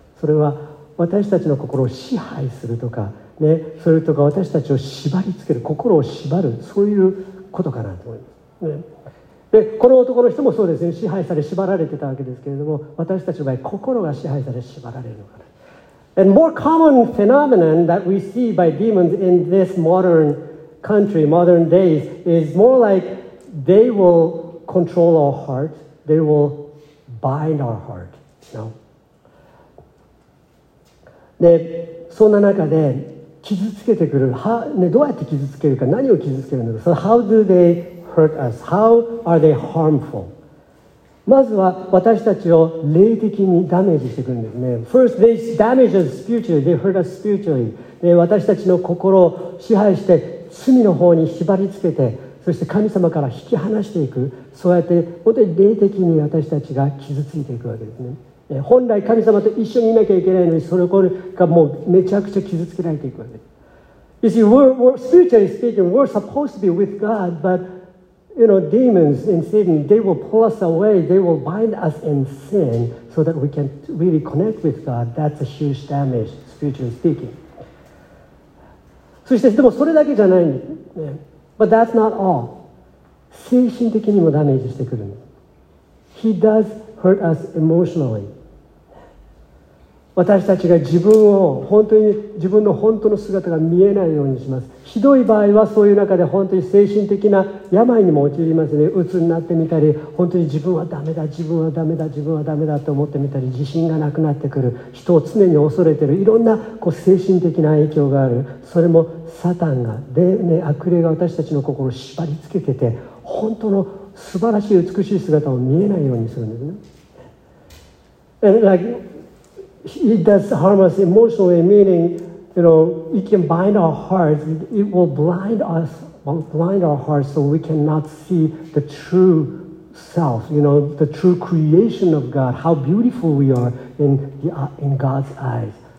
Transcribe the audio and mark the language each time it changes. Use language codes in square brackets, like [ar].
[ja] それは私たちの心を支配するとか。ね、それとか私たちを縛りつける、心を縛る、そういうことかなと思います、ね、でこの男の人もそうですね、支配され縛られてたわけですけれども、私たちの場合心が支配され縛られるのかな。 [en] And more common phenomenon that we see by demons in this modern country, modern days is more like they will control our heart, they will bind our heart, you know? [ja] でそんな中で傷つけてくる、ね、どうやって傷つけるか、何を傷つけるのか、 [en] So how do they hurt us? How are they harmful? [ja] まずは私たちを霊的にダメージしてくるんですね。 [en] First they damage us spiritually, they hurt us spiritually. [ja] で私たちの心を支配して罪の方に縛りつけて、そして神様から引き離していく、そうやって本当に霊的に私たちが傷ついていくわけですね。本来神様と一緒にいなきゃいけないのに、それがもうめちゃくちゃ傷つけられていくわけです。 [en] You see, we're spiritually speaking, we're supposed to be with God, but you know, demons and Satan, they will pull us away, they will bind us in sin so that we can't really connect with God. That's a huge damage, spiritually speaking. [ja] そしてでもそれだけじゃないんです、ね。 [en] But that's not all. [ja] 精神的にもダメージしてくるんです。 [en] He does hurt us emotionally. [ja] 私たちが自分を本当に自分の本当の姿が見えないようにします。ひどい場合はそういう中で本当に精神的な病にも陥りますね。鬱になってみたり、本当に自分はダメだ自分はダメだ自分はダメだと思ってみたり、自信がなくなってくる、人を常に恐れてる、いろんなこう精神的な影響がある。それもサタンがで、ね、悪霊が私たちの心を縛りつけてて、本当の素晴らしい美しい姿を見えないようにするんですね。 [en] And likeIt does harm us emotionally, meaning, you know, it can bind our hearts. It will blind us, blind our hearts, so we cannot see the true self, you know, the true creation of God, how beautiful we are in God's eyes.